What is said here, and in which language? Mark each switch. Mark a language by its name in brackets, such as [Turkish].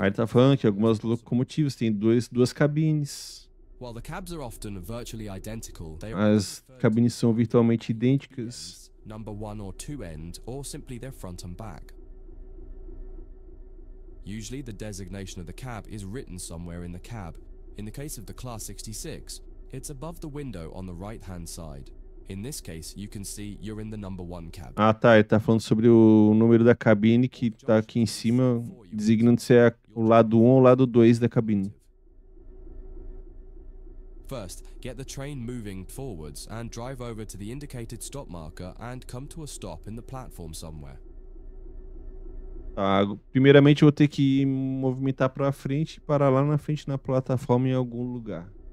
[Portuguese] Aí tá falando que algumas locomotivas têm duas cabines. [English] While the cabs are often virtually identical, they are [Portuguese] as cabines são virtualmente idênticas. [English] Number one or two end, or simply their front and back. Usually, the designation of the cab is written somewhere in the cab. In the case of the Class 66. It's above the window on the right hand side. In this case, you can see you're in the number one cabin. [Portuguese] Ah, tá, ele tá falando sobre o número da cabine que tá aqui em cima, designando se é o lado 1 ou o lado 2 da cabine. [English] First, get the train moving forwards and drive over to the indicated stop marker and come to a stop in the platform somewhere. [Portuguese] Tá, primeiramente eu vou ter que movimentar para frente e parar lá na frente na plataforma em algum lugar.